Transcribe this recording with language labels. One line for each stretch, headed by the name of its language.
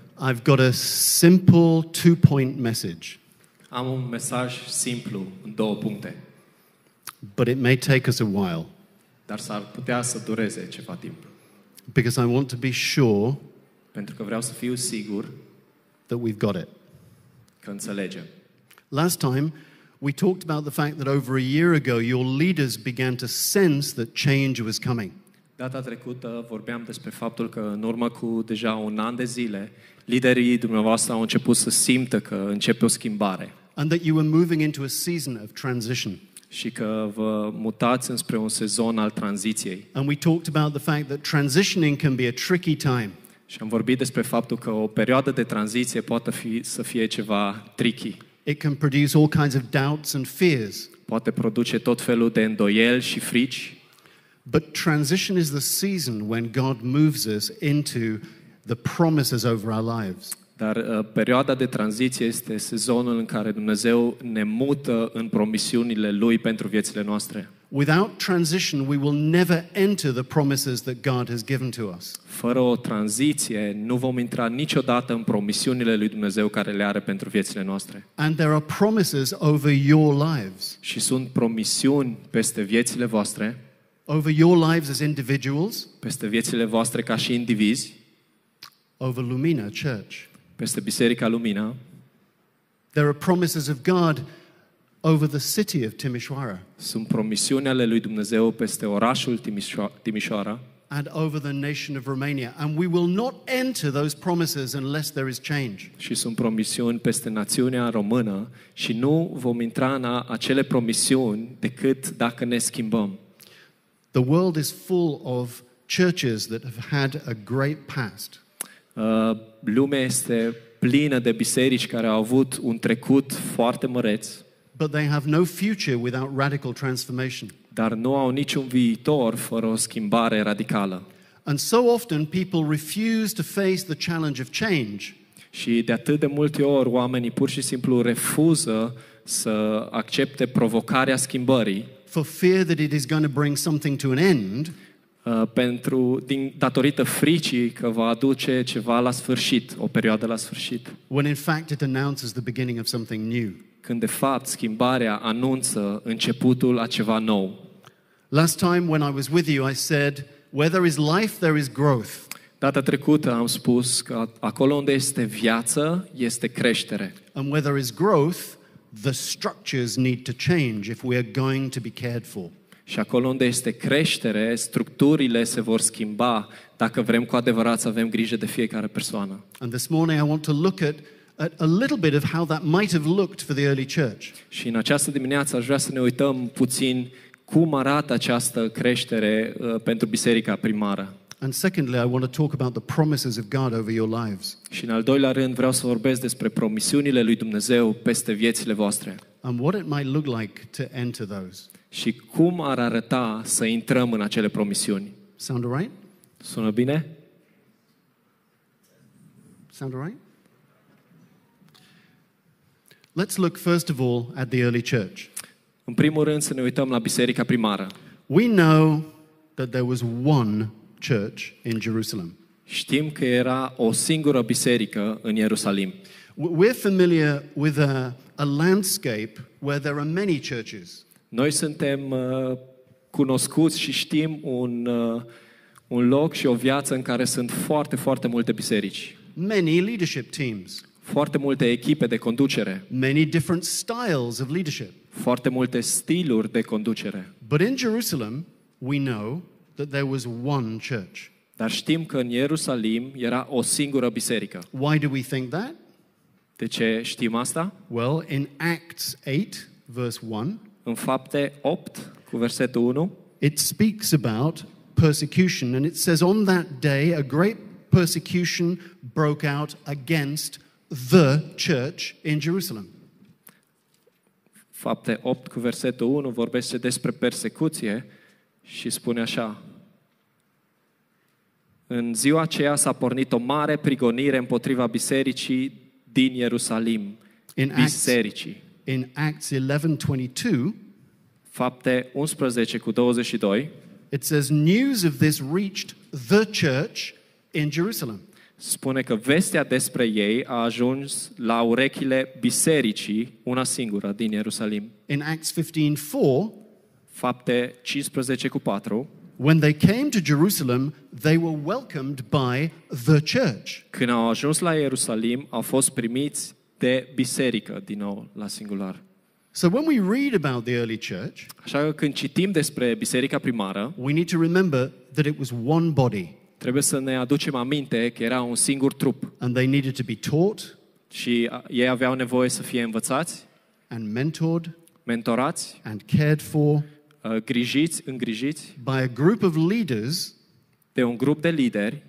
English: I've got a simple two-point message.
Romanian: Am un mesaj simplu în două puncte.
English: But it may take us a while.
Romanian: Dar s-ar putea să dureze ceva timp.
English: Because I want to be sure,
Romanian: pentru că vreau să fiu sigur,
English: that we've got it.
Romanian: Că înțelegem.
English: Last time, we talked about the fact that over a year ago, your leaders began to sense that change was coming.
Romanian: Data trecută vorbeam despre faptul că în urmă cu deja un an de zile, liderii dumneavoastră au început să simtă că începe o schimbare.
English: And that you were moving into a season of transition.
Romanian: Și că vă mutați înspre un sezon al tranziției.
English: And we talked about the fact that transitioning can be a tricky time.
Romanian: Și am vorbit despre faptul că o perioadă de tranziție poate fi să fie ceva tricky.
English: It can produce all kinds of doubts and fears.
Romanian: Poate produce tot felul de îndoieli și frici.
English: But transition is the season when God moves us into the promises over our lives.
Romanian: Dar perioada de tranziție este sezonul în care Dumnezeu ne mută în promisiunile lui pentru viețile noastre.
English: Without transition we will never enter the promises that God has given to us.
Romanian: Fără o tranziție nu vom intra niciodată în promisiunile lui Dumnezeu care le are pentru viețile noastre.
English: And there are promises over your lives.
Romanian: Și sunt promisiuni peste viețile voastre.
English: Over your lives as individuals,
Romanian: peste viețile voastre ca și indivizi,
English: over Lumina Church,
Romanian: peste Biserica Lumina,
English: there are promises of God over the city of Timișoara,
Romanian: sunt promisiuni ale lui Dumnezeu peste orașul Timișoara,
English: and over the nation of Romania, and we will not enter those promises unless there is change.
Romanian: Și sunt promisiuni peste națiunea română și nu vom intra în acele promisiuni decât dacă ne schimbăm.
English: The world is full of churches that have had a great past.
Romanian: Lumea este plină de biserici care au avut un trecut foarte măreț.
English: But they have no future without radical transformation.
Romanian: Dar nu au niciun viitor fără o schimbare radicală.
English: And so often people refuse to face the challenge of change.
Romanian: Și de atât de multe ori oamenii pur și simplu refuză să accepte provocarea schimbării.
English: For fear that it is going to bring something to an end,
Romanian: pentru din datorită fricii că va aduce ceva la sfârșit, o perioadă la sfârșit.
English: When in fact it announces the beginning of something new.
Romanian: Când de fapt schimbarea anunță începutul a ceva nou.
English: Last time when I was with you I said where there is life there is growth.
Romanian: Data trecută am spus că acolo unde este viață este creștere.
English: And where there is growth the structures need to change if we are going to be cared for.
Romanian: Și acolo unde este creștere, structurile se vor schimba dacă vrem cu adevărat să avem grijă de fiecare persoană.
English: And this morning I want to look at a little bit of how that might have looked for the early church.
Romanian: Și în această dimineață aș vrea să ne uităm puțin cum arată această creștere pentru biserica primară.
English: And secondly, I want to talk about the promises of God over your lives.
Romanian: Și în al doilea rând vreau să vorbesc despre promisiunile lui Dumnezeu peste viețile voastre.
English: And what it might look like to enter those.
Romanian: Și cum ar arăta să intrăm în acele promisiuni.
English: Sound all right?
Romanian: Sună bine?
English: Sound all right? Let's look first of all at the early church.
Romanian: În primul rând să ne uităm la biserica primară.
English: We know that there was one church in Jerusalem.
Romanian: Știm că era o singură biserică în Ierusalim.
English: We're familiar with a landscape where there are many churches.
Romanian: Noi suntem cunoscuți și știm un loc și o viață în care sunt foarte, foarte multe biserici.
English: Many leadership teams.
Romanian: Foarte multe echipe de conducere.
English: Many different styles of leadership.
Romanian: Foarte multe stiluri de conducere.
English: But in Jerusalem, we know that there was one church.
Romanian: Dar știm că în Ierusalim era o singură biserică.
English: Why do we think that?
Romanian: De ce știm asta?
English: Well, in Acts 8, verse 1,
Romanian: în Fapte 8, cu versetul 1,
English: it speaks about persecution, and it says, on that day, a great persecution broke out against the church in Jerusalem.
Romanian: Fapte 8, cu versetul 1, vorbește despre persecuție și spune așa, în ziua aceea s-a pornit o mare prigonire împotriva bisericii din Ierusalim, bisericii.
English: In Acts 11:22,
Romanian: Fapte 11 cu 22,
English: it says news of this reached the church in Jerusalem.
Romanian: Spune că vestea despre ei a ajuns la urechile bisericii, una singură din Ierusalim.
English: In Acts 15:4,
Romanian: Fapte 15 cu 4,
English: when they came to Jerusalem, they were welcomed by the church.
Romanian: Când au ajuns la Ierusalim, au fost primiți de biserică, din nou la singular.
English: So when we read about the early church,
Romanian: așa că când citim despre biserica primară,
English: we need to remember that it was one body.
Romanian: Trebuie să ne aducem aminte că era un singur trup.
English: And they needed to be taught,
Romanian: și ei aveau nevoie să fie învățați,
English: and mentored,
Romanian: mentorați,
English: and cared for,
Romanian: grijiți, îngrijiți,
English: by a group of leaders,
Romanian: de un grup de lideri,